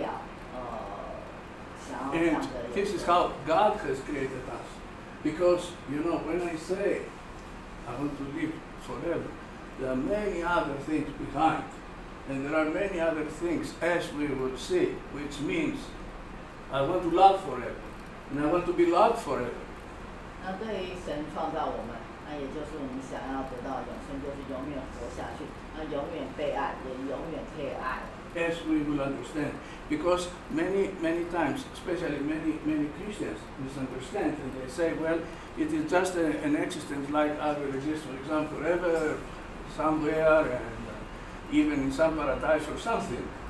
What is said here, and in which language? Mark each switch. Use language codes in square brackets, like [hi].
[en] And this is how God has created us. Because, you know, when I say I want to live forever, there are many other things behind. And there are many other things, as we will see, which means I want to love forever. And I want to be loved forever. [zh] 那对于神创造我们，那也就是我们想要得到永生，就是永远活下去，那永远被爱，也永远被爱。 [en] As we will understand. Because many times, especially many Christians misunderstand, and they say, well, it is just an existence like I will exist, for example, forever, somewhere, and even in some paradise or something.